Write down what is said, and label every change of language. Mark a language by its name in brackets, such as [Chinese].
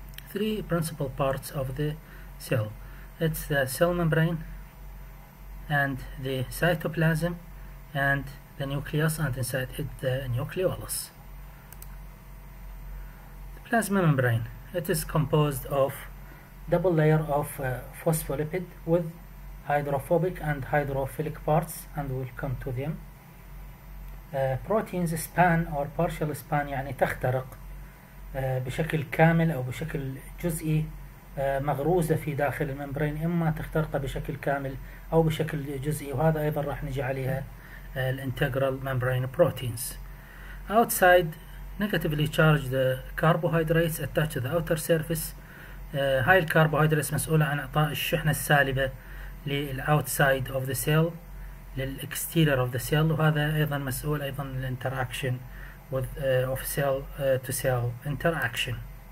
[English] Three principal parts of the cell. It's the cell membrane and the cytoplasm and the nucleus, and inside it the nucleolus. The plasma membrane. It is composed of double layer of phospholipid with hydrophobic and hydrophilic parts, and we'll come to them. Proteins span or partial span, [Arabic] يعني تخترق بشكل كامل أو بشكل جزئي مغروزة في داخل الممبرين، إما تخترق بشكل كامل أو بشكل جزئي، وهذا أيضا راح نجي عليها الانتجرال ممبرين بروتينز. [English] Outside negatively charged carbohydrates attach to the outer surface. [Arabic] هاي الكربوهيدرات مسؤولة عن إعطاء الشحنة السالبة للأوتسايد أوف ذا سيل، للإكستيرير أوف ذا سيل، وهذا أيضا مسؤول أيضا للإنتراكشن [English] with of cell to cell interaction.